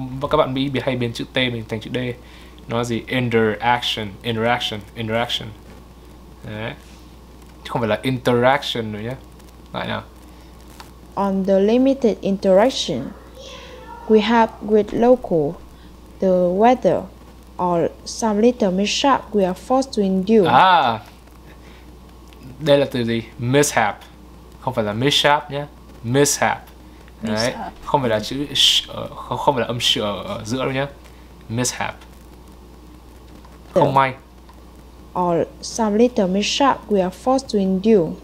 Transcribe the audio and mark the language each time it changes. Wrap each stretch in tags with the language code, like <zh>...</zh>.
<vi>Các bạn bị hay biến chữ T mình thành chữ D. Nó là gì? Interaction. Interaction. Interaction. Đấy. Chứ không phải là interaction nữa nhé. Lại nào.</vi> <en>On the limited interaction we have with local, the weather, or some little mishap we are forced to endure.</en> <vi>À, đây là từ gì? Mishap. Không phải là mishap nhé. Mishap. Đấy. Không phải là chữ sh, không phải là âm sh ở giữa đâu nhé. Mishap. Không may.</vi> <en>Or some little mishap we are forced to endure.</en>